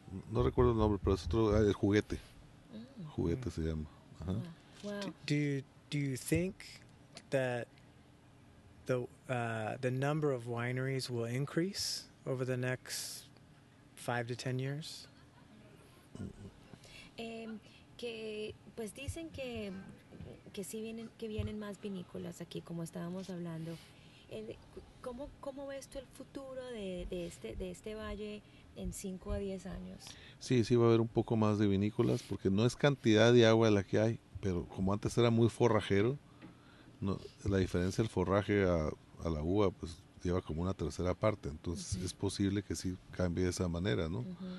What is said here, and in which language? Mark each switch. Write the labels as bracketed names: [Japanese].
[Spanish] No recuerdo el nombre, pero es otro, el juguete. Juguete se llama. Uh-huh. Wow. [English] Do you think that the number of wineries will increase over the next 5 to 10 years? [Spanish] Que pues dicen que sí vienen más vinícolas aquí, como estábamos hablando. ¿Cómo ves tú el futuro de este valle en 5 a 10 años? Sí, va a haber un poco más de vinícolas, porque no es cantidad de agua la que hay, pero como antes era muy forrajero, no, la diferencia del forraje a la uva, pues lleva como una tercera parte, entonces uh-huh. es posible que sí cambie de esa manera, ¿no? Uh-huh.